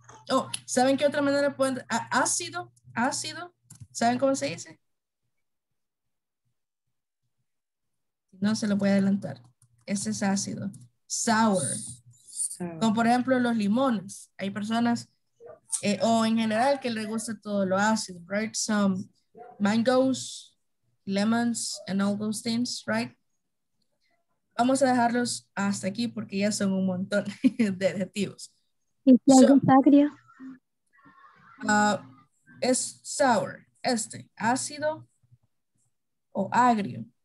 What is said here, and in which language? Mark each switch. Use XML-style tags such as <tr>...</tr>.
<es>oh, ¿saben qué otra manera pueden...? Ácido, ácido. ¿Saben cómo se dice? No se lo voy a adelantar. Ese es ácido. Sour. Como por ejemplo los limones. Hay personas, o en general, que les gusta todo lo ácido, right?</es> <en>Some mangoes, lemons, and all those things, right?</en> <es>Vamos a dejarlos hasta aquí porque ya son un montón de adjetivos. ¿Y si algo es agrio? Es sour, este, ácido o agrio.</es>